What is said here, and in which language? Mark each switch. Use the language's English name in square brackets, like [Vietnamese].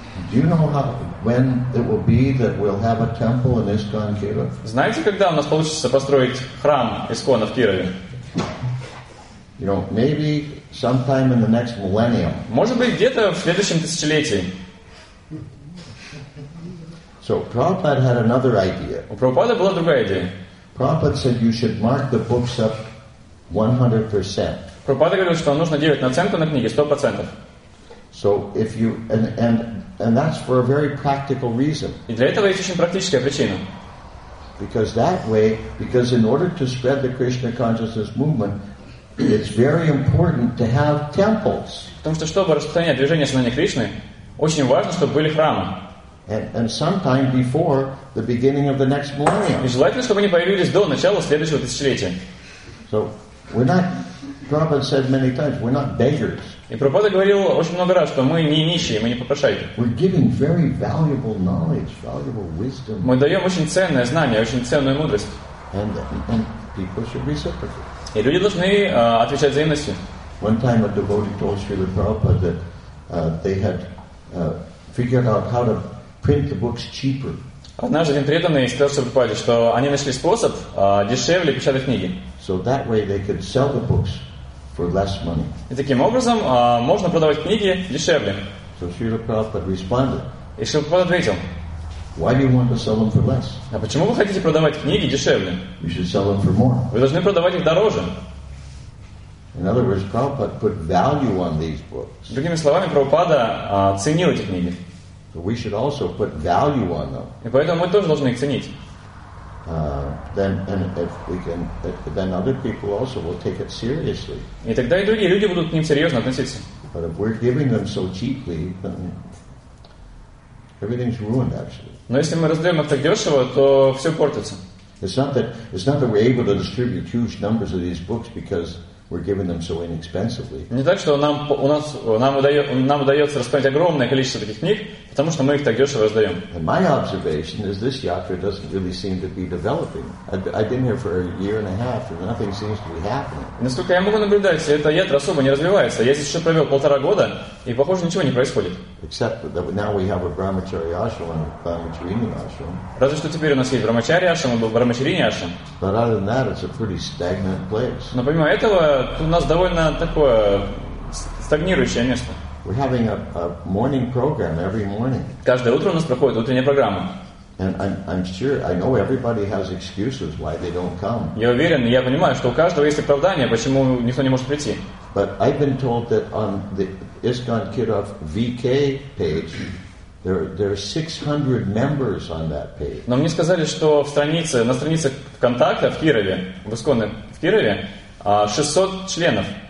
[English] do you know when it will be that we'll have a temple in ISKCON Kirov? [Russian] Знаете, когда у нас получится построить храм ИСКОНа в Кирове? [English] You know, maybe sometime in the next millennium. [Russian] Может быть, где-то в следующем тысячелетии. [English] So Prabhupada had another idea. [Russian] У Прабхупады была другая идея. [English] Prabhupada said you should mark the books up 100%. [Russian] Прабхупада говорил, что нужно делать наценку на книги 100%. [English] So if you and that's for a very practical reason. [Russian] И для этого есть очень практическая причина. [English] Because that way, because in order to spread the Krishna consciousness movement, it's very important to have temples. [Russian] Потому что чтобы распространять движение сознания Кришны, очень важно, чтобы были храмы. [English] And sometime before the beginning of the next millennium. [Russian] И желательно, чтобы они появились до начала следующего тысячелетия. [English] So we're not. Prabhupada said many times, we're not beggars. [Russian] И Прабхупада говорил очень много раз, что мы не нищие, мы не попрошайки. [English] We're giving very valuable knowledge, valuable wisdom. [Russian] Мы даем очень ценное знание, очень ценную мудрость. [English] And people should reciprocate. [Russian] И люди должны отвечать взаимностью. [English] One time a devotee told Srila Prabhupada that they had figured out how to print the books cheaper. [Russian] Однажды один преданный сказал Шри Прабхупаде, что они нашли способ дешевле печатать книги. [English] So that way they could sell the books for less money. [Russian] И таким образом можно продавать книги дешевле. [English] So Srila Prabhupada responded. [Russian] И Шри Прабхупада ответил. [English] Why do you want to sell them for less? [Russian] А почему вы хотите продавать книги дешевле? [English] You should sell them for more. [Russian] Вы должны продавать их дороже. [English] In other words, Prabhupada put value on these books. [Russian] Другими словами, Прабхупада ценил эти книги. [English] So we should also put value on them. [Russian] И поэтому мы тоже должны их ценить. [English] Then other people also will take it seriously. [Russian] И тогда и другие люди будут к ним серьезно относиться. [English] But if we're giving them so cheaply, then everything's ruined, actually. [Russian] Но если мы раздаем их так дешево, то все портится. [English] It's not that we're able to distribute huge numbers of these books because we're giving them so inexpensively. [Russian] Не так, что нам удается распространить огромное количество таких книг, потому что мы их так дешево раздаем. [English] And my observation is this yatra doesn't really seem to be developing. I've been here for a year and a half, and nothing seems to be happening. [Russian] Насколько я могу наблюдать, эта ятра особо не развивается. Я здесь еще провел полтора года, и похоже, ничего не происходит. [English] Except that now we have a brahmachari ashram and a brahmacharini ashram. [Russian] Разве что теперь у нас есть брахмачари ашрам и брахмачарини ашрам. [English] But other than that, it's a pretty stagnant place. [Russian] Но помимо этого, у нас довольно такое стагнирующее место. [English] We're having a morning program every morning. [Russian] Каждое утро у нас проходит утренняя программа. [English] And I'm sure I know everybody has excuses why they don't come. [Russian] Я уверен, я понимаю, что у каждого есть оправдание, почему никто не может прийти. [English] But I've been told that on the ISKCON Kirov VK page there are 600 members on that page. [Russian] Но мне сказали, что на странице ВКонтакте в Кирове, в ИСКОН в Кирове, 600 членов.